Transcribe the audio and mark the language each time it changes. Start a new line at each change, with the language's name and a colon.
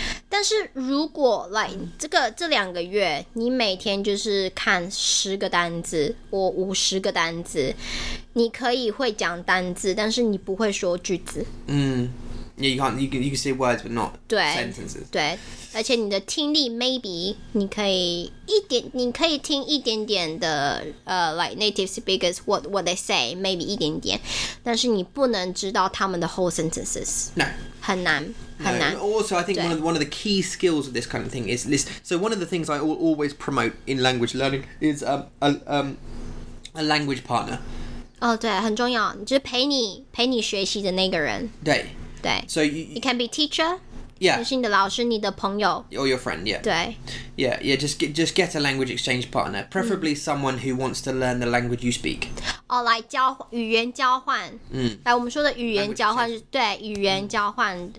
Chinese: 但是如果 like 这两个月你每天就是看10个单字或50个单字，你可以会讲单字，但是你不会说句子。
English: 嗯， yeah, you can say words but not
Chinese: 对
English: sentences.
Chinese: 对，而且你的听力 maybe 你可以一点，你可以听一点点的
English: like native speakers what they say
Chinese: maybe 一点点，但是你不能知道他们的
English: whole sentences. No.
Chinese: 很难。
English: No, also, I think one of the key skills of this kind of thing is this. So one of the things I always promote in language learning is a language partner.
Chinese: Oh, 对，很重要，就是陪你学习的那个人。对对。
English: So it can be teacher. Yeah.
Chinese: 就是你的老师，你的朋友。
English: Or your friend, yeah.
Chinese: 对。
English: Yeah, yeah. Just get a language exchange partner, preferably someone who wants to learn the language you speak.
Chinese: 哦，来交语言交换。嗯。来，我们说的语言交换是对语言交换。